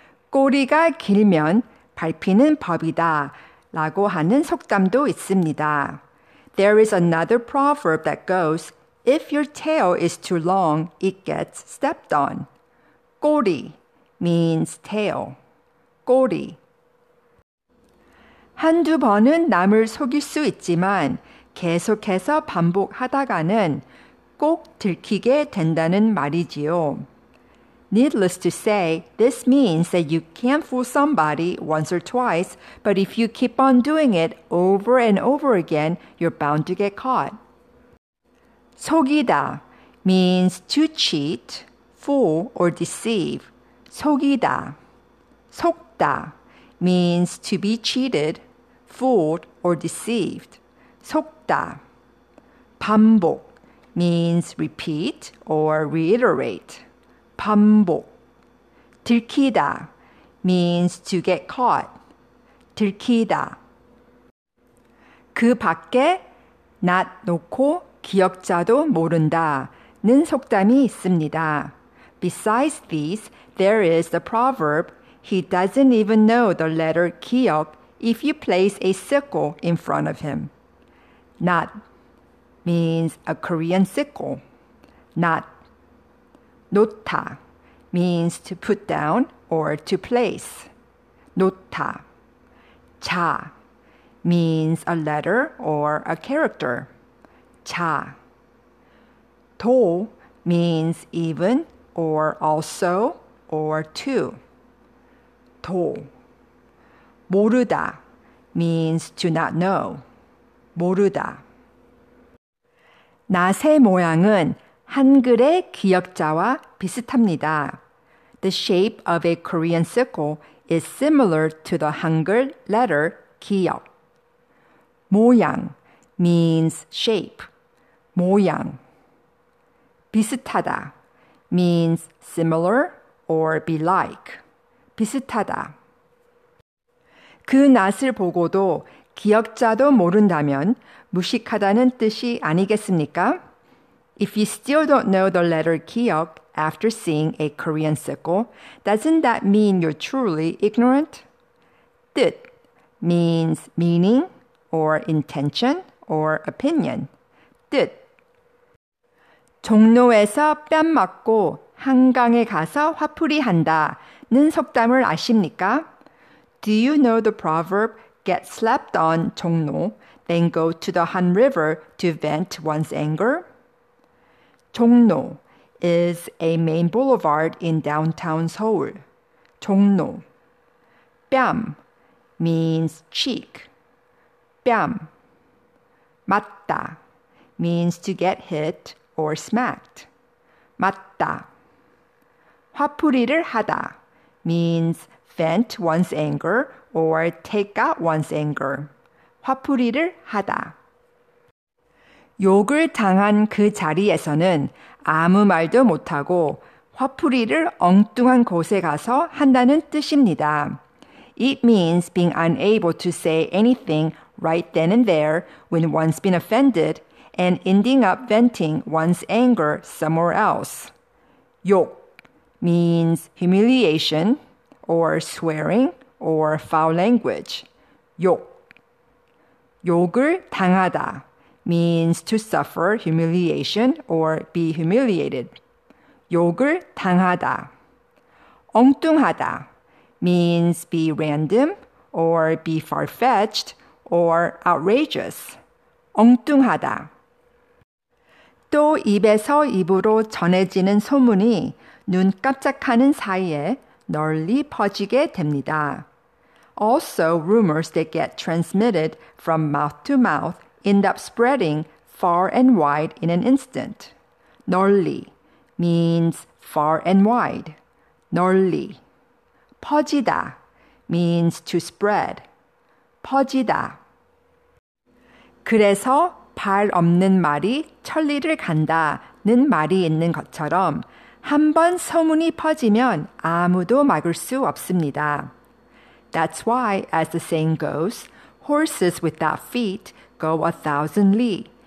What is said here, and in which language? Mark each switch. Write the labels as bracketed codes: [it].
[ko] 꼬리가 길면 밟히는 법이다 라고 하는 속담도 있습니다. [en] There is another proverb that goes, if your tail is too long, it gets stepped on. 꼬리 means tail. 꼬리. [ko] 한두 번은 남을 속일 수 있지만 계속해서 반복하다가는 꼭 들키게 된다는 말이지요. [en] Needless to say, this means that you can't fool somebody once or twice, but if you keep on doing it over and over again, you're bound to get caught. 속이다 means to cheat, fool, or deceive. 속이다. 속다 means to be cheated, fooled, or deceived. 속다. 반복 means repeat or reiterate. 반복. 들키다 means to get caught. 들키다. [ko] 그 밖에 낫 놓고 기역자도 모른다는 속담이 있습니다. [en] Besides these, there is the proverb, he doesn't even know the letter 기역 if you place a sickle in front of him. 낫 means a Korean sickle. 낫. 놓다 means to put down or to place. 놓다. 자 means a letter or a character. 자. 도 means even or also or to. 도. 모르다 means to not know. 모르다. [ko] 낫의 모양은 한글의 기역자와 비슷합니다. [en] The shape of a Korean sickle is similar to the Hangul letter 기역. 모양 means shape. 모양. 비슷하다 means similar or be like. 비슷하다. [ko] 그 낫을 보고도 기역자도 모른다면 무식하다는 뜻이 아니겠습니까? [en] If you still don't know the letter 기역 after seeing a Korean sickle, doesn't that mean you're truly ignorant? 뜻 means meaning or intention or opinion. 뜻. [ko] 종로에서 뺨 맞고 한강에 가서 화풀이 한다는 속담을 아십니까? [en] Do you know the proverb, get slapped on 종로, then go to the Han River to vent one's anger? 종로 is a main boulevard in downtown Seoul. 종로. 뺨 means cheek. 뺨. 맞다 means to get hit or smacked. 맞다. [ko] 화풀이를 하다 [en] means vent one's anger or take out one's anger. [ko] 화풀이를 하다. 욕을 당한 그 자리에서는 아무 말도 못하고 화풀이를 엉뚱한 곳에 가서 한다는 뜻입니다. [en] It means being unable to say anything right then and there when one's been offended and ending up venting one's anger somewhere else. 욕 means humiliation or swearing or foul language. 욕. [ko] 욕을 당하다 [en] means to suffer humiliation or be humiliated. [ko] 욕을 당하다. [en] 엉뚱하다 means be random or be far-fetched or outrageous. 엉뚱하다. [ko] 또 입에서 입으로 전해지는 소문이 눈 깜짝하는 사이에 널리 퍼지게 됩니다. [en] Also, rumors that get transmitted from mouth to mouth end up spreading far and wide in an instant. 널리 means far and wide. 널리. 퍼지다 means to spread. 퍼지다. [ko] 그래서 발 없는 말이 천리를 간다는 말이 있는 것처럼 한번 소문이 퍼지면 아무도 막을 수 없습니다. [en] That's why, as the saying goes, horses without feet go 1,000 li.